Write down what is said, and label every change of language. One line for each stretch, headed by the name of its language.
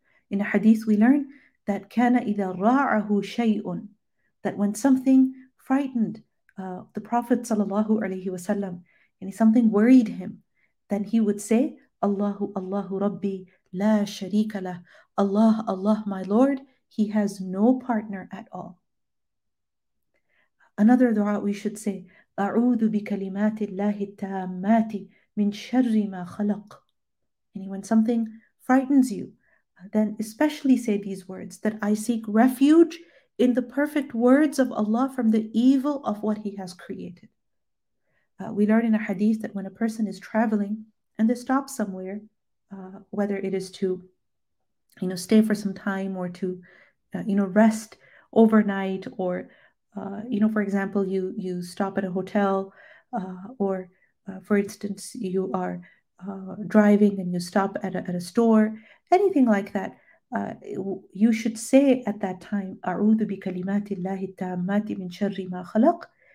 English: In a hadith we learn that
Arabic: kana idha ra'ahu shay'un,
English: that when something frightened the Prophet sallallahu alayhi wasallam, and something worried him, then he would say,
Arabic: Allahu Allahu Rabbi La Sharika La.
English: Allah, Allah, my Lord, He has no partner at all. Another dua we should say,
Arabic: أعوذ بكلمات الله التامات من شر ما خلق.
English: And when something frightens you, then especially say these words, that I seek refuge in the perfect words of Allah from the evil of what He has created. We learn in a hadith that when a person is traveling and they stop somewhere, whether it is to stay for some time or to rest overnight, or for example, you stop at a hotel, for instance, you are driving and you stop at a store, anything like that, you should say at that time,
Arabic: أعوذ بكلمات الله التامات من شر ما خلق.